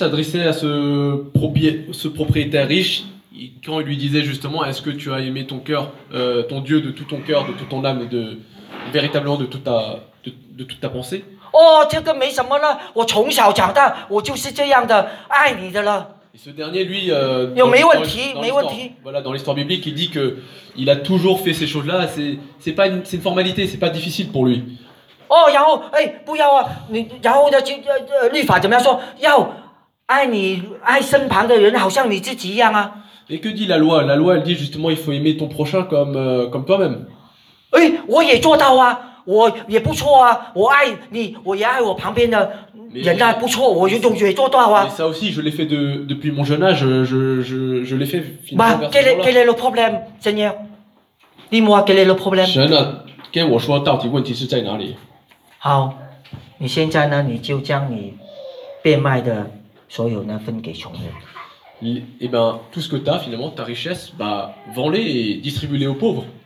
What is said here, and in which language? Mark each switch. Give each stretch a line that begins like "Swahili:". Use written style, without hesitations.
French: s'adressait à ce propriétaire riche. Quand il lui disait justement, est-ce que tu as aimé ton cœur, ton Dieu de tout ton cœur, de toute ton âme et véritablement de toute ta pensée?
Chinese: Oh, 这个没什么了，我从小长大，我就是这样的爱你的了。
French: Et ce dernier, lui,
Chinese: 有没问题？没问题。
French: Voilà, dans l'histoire biblique, il dit que il a toujours fait ces choses-là. C'est une formalité, c'est pas difficile pour lui.
Chinese: Oh, 然后哎，不要啊，你然后的律法怎么样说？要爱你爱身旁的人，好像你自己一样啊。
French: Et que dit la loi? La loi, elle dit justement, il faut aimer ton prochain comme toi-même.
Chinese: Oui, 我也做到啊，我也不错啊，我爱你，我也爱我旁边的人啊，不错，我也总也做到啊。
French: Mais ça aussi, je l'ai fait depuis mon jeune âge. Je l'ai fait. Bah, quel est le problème, Seigneur? Dis-moi quel est le problème.
Chinese: 神啊，跟我说到底问题是在哪里？好，你现在呢，你就将你变卖的所有呢分给穷人。
French: Et ben tout ce que t'as finalement ta richesse bah vends-les et distribue-les aux pauvres.